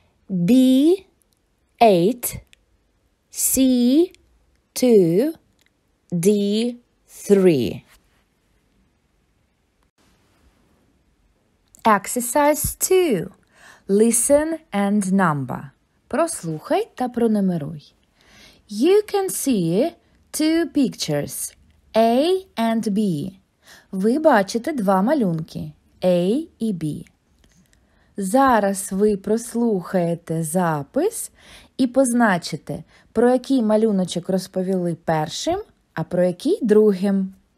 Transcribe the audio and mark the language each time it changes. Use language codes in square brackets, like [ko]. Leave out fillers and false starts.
[uk] B – 8, C – 2, D – 3. [en] Exercise 2. Listen and number. [uk] Прослухай та пронумеруй. [en] You can see two pictures, A and B. [uk] Ви бачите два малюнки, A і B. Зараз ви прослухаєте запис і позначите, про який малюночок розповіли першим, а про який другим.